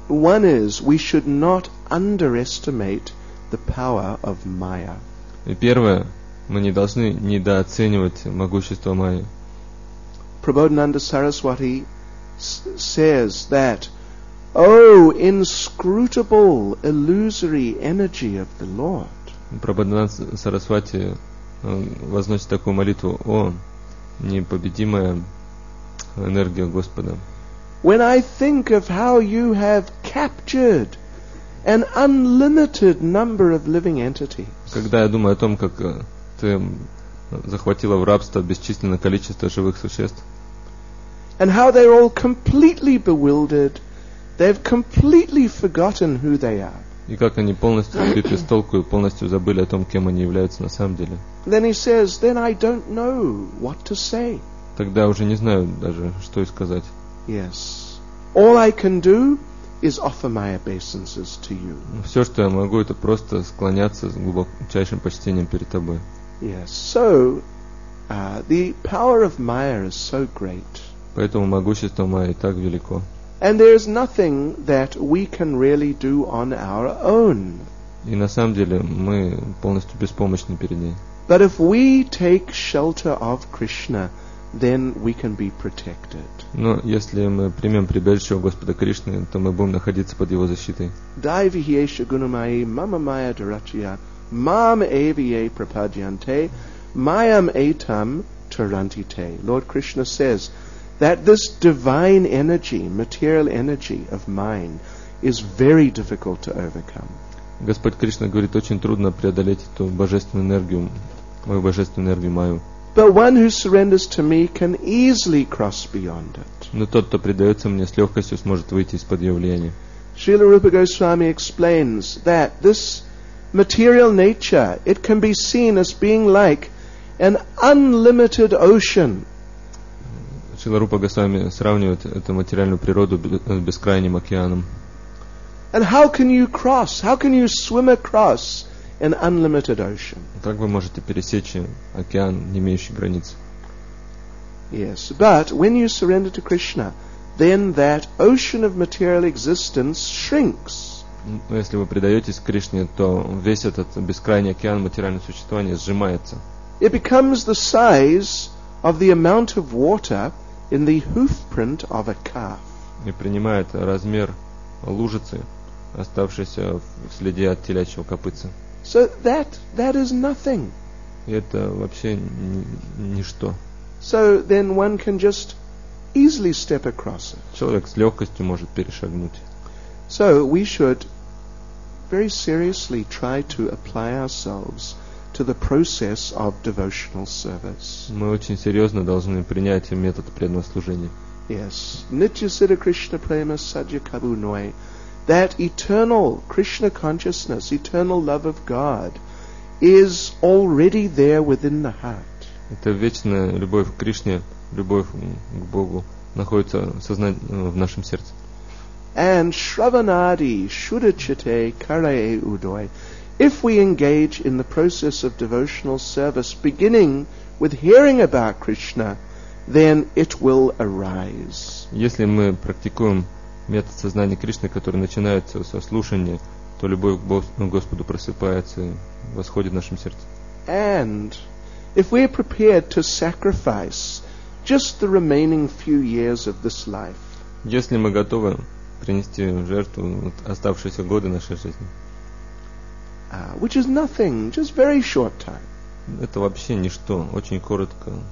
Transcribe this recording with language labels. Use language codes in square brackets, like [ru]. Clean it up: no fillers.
[en] One is we should not underestimate the power of Maya. [ru] И первое, мы не должны недооценивать могущество Майи. [en] Prabodhananda Saraswati says that, "Oh, inscrutable illusory energy of the Lord." [ru] Prabodhananda Saraswati возносит такую молитву: "О, непобедимая энергия Господа." [en] When I think of how you have captured an unlimited number of living entities. [ru] Когда я думаю о том, как ты захватила в рабство бесчисленное количество живых существ. [en] And how they're all completely bewildered. They've completely forgotten who they are. [ru] И как они полностью сбиты с толку и полностью забыли о том, кем они являются на самом деле. [en] Then he says, "Then I don't know what to say." [ru] Тогда уже не знаю даже, что и сказать. [en] Yes. All I can do is offer my obeisances to you. [ru] Все, что я могу, это просто склоняться с глубочайшим почтением перед тобой. [en] Yes. So, the power of Maya is so great. [ru] Поэтому могущество Майи так велико. [en] And there is nothing that we can really do on our own. [ru] И на самом деле мы полностью беспомощны перед ней. [en] But if we take shelter of Krishna, then we can be protected. [ru] Но если мы примем прибежище у Господа Кришны, то мы будем находиться под его защитой. [sa] Дайвихиеша гунамаи мама майя дурачья мам эвие пропадьянте майам этам тарантите. [en] Lord Krishna says that this divine energy, material energy of mine, is very difficult to overcome. [ru] Господь Кришна говорит, очень трудно преодолеть эту божественную энергию, мою божественную энергию Майю. [en] But one who surrenders to me can easily cross beyond it. [ru] Но тот, кто предается мне, с легкостью сможет выйти из-под ее влияния. [en] Srila Rupa Goswami explains that this material nature, it can be seen as being like an unlimited ocean. [ru] Srila Rupa Goswami сравнивает эту материальную природу с бескрайним океаном. [en] And how can you cross? How can you swim across an unlimited ocean? [ru] Как вы можете пересечь океан, не имеющий границ? [en] Yes, but when you surrender to Krishna, then that ocean of material existence shrinks. [ru] Если вы предаетесь Кришне, то весь этот бескрайний океан материального существования сжимается. [en] It becomes the size of the amount of water in the hoof print of a calf. [ru] И принимает размер лужицы, оставшейся в следе от телячьего копытца. [en] So that is nothing. [ru] Это вообще ничто. [en] So then one can just easily step across it. [ru] Человек с легкостью может перешагнуть. [en] So we should very seriously try to apply ourselves to the process of devotional service. [ru] Мы очень серьезно должны принять метод преданного служения. [bn] Yes, Nitya Siddha Krishna Prema Sadya Kabu Noi. [en] That eternal Krishna consciousness, eternal love of God, is already there within the heart. [ru] Это вечная любовь к Кришне, любовь к Богу, находится в нашем сердце. [bn] And Shravanadi Shuddhachitte Karaye Udoy. [en] If we engage in the process of devotional service, beginning with hearing about Krishna, then it will arise. [ru] Если мы практикуем метод сознания Кришны, который начинается со слушания, то любовь к Господу просыпается и восходит в нашем сердце. [en] And if we are prepared to sacrifice just the remaining few years of this life, [ru] если мы готовы принести в жертву оставшиеся годы нашей жизни, [en] which is nothing, just very short time, [ru] это вообще ничто, очень коротко,